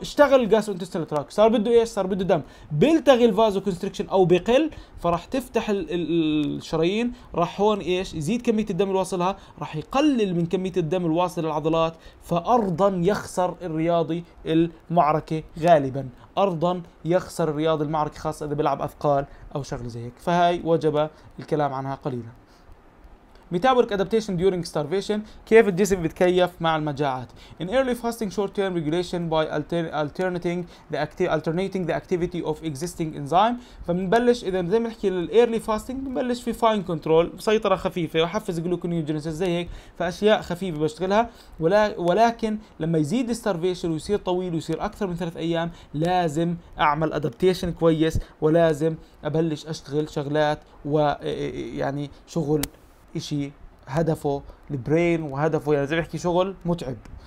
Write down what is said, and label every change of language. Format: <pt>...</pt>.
<ar>اشتغل الجاسترو انتستينال تراك صار بده ايش؟ صار بده دم. بيلتغي الفازو كونستريكشن او بقل فراح تفتح الشرايين راح هون ايش؟ يزيد كميه الدم اللي واصلها راح يقلل من كميه الدم الواصل للعضلات فارضا يخسر الرياضي المعركه غالبا. ارضا يخسر الرياضي المعركه خاصه اذا بيلعب اثقال او شغله زي هيك. فهي وجب الكلام عنها قليلا.</ar> <en>Metabolic adaptation during starvation.</en> <ar>كيف الجسم بيتكيف مع المجاعات؟</ar> <en>In early fasting short-term regulation by alternating the activity of existing enzyme.</en> <ar>فمنبلش إذا زي ما نحكي للearly fasting بنبلش في fine control سيطرة خفيفة وحفز gluconeogenesis زي هيك فأشياء خفيفة بشتغلها ولكن لما يزيد starvation ويصير طويل ويصير أكثر من ثلاث أيام لازم أعمل adaptation كويس ولازم أبلش أشتغل شغلات ويعني شغل اشي هدفه البرين وهدفه يعني زي ما بحكي شغل متعب.</ar>